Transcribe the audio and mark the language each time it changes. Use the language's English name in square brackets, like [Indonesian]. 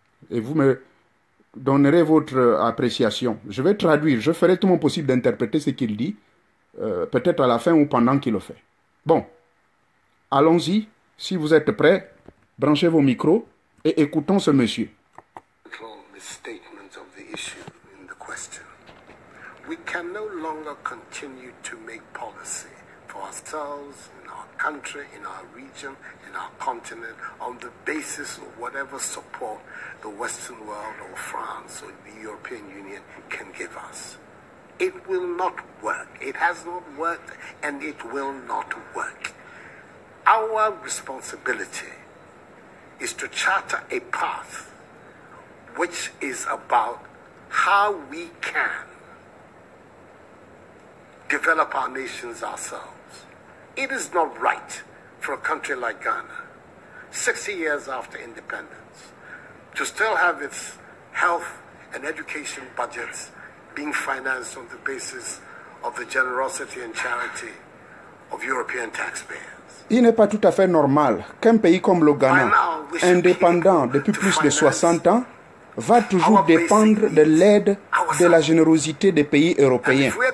[French] Et vous me donnerez votre appréciation. Je vais traduire, je ferai tout mon possible d'interpréter ce qu'il dit, peut-être à la fin ou pendant qu'il le fait. Bon, allons-y, si vous êtes prêts, branchez vos micros et écoutons ce monsieur. [English] Statements of the issue in the question. We can no longer continue to make policy for ourselves, in our country, in our region, in our continent, on the basis of whatever support the Western world or France or the European Union can give us. It will not work. It has not worked and it will not work. Our responsibility is to charter a path which is about how we can develop our nations ourselves. It is not right for a country like Ghana, 60 years after independence, to still have its health and education budgets being financed on the basis of the generosity and charity of European taxpayers. [French] Il n'est pas tout à fait normal qu'un pays comme le Ghana, indépendant depuis plus de 60 ans, va toujours dépendre de l'aide, de la générosité des pays européens.